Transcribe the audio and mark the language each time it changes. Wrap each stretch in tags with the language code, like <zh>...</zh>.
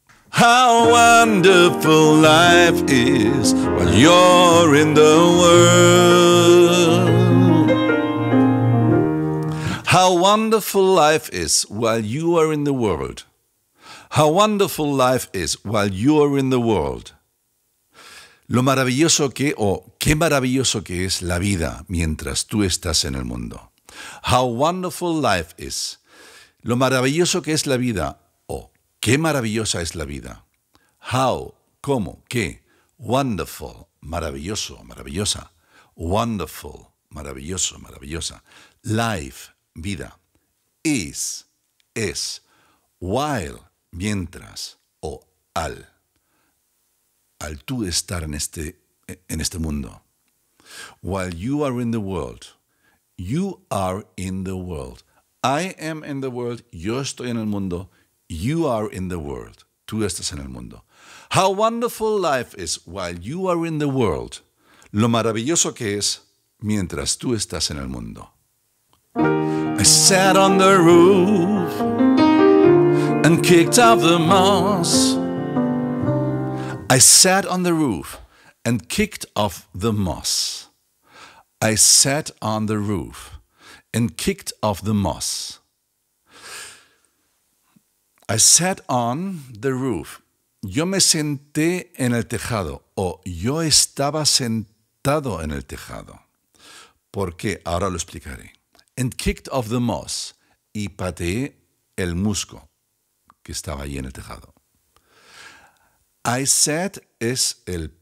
<en>How wonderful life is when you're in the world. How wonderful life is while you are in the world. How wonderful life is while you are in the world.</en> <es>Lo maravilloso que, o qué maravilloso que es la vida mientras tú estás en el mundo.</es> <en>How wonderful life is.</en> <es>Lo maravilloso que es la vida, o qué maravillosa es la vida. How, cómo, qué. Wonderful, maravilloso, maravillosa. Wonderful, maravilloso, maravillosa. Life. Vida. Is. Es. While. Mientras. O al. Al tú estar en este mundo.</es> <en>While you are in the world. You are in the world. I am in the world.</en> <es>Yo estoy en el mundo.</es> <en>You are in the world.</en> <es>Tú estás en el mundo.</es> <en>How wonderful life is while you are in the world.</en> <es>Lo maravilloso que es mientras tú estás en el mundo.</es> <en>I sat on the roof and kicked out the moss. I sat on the roof and kicked off the moss. I sat on the roof and kicked off the moss. I sat on the roof.</en> <es>Yo me senté en el tejado, o yo estaba sentado en el tejado. ¿Por qué? Ahora lo explicaré.</es> <en>And kicked off the moss,</en> <es>y pateé el musgo que estaba allí en el tejado.</es> <en>I sat</en> <es>es el</es>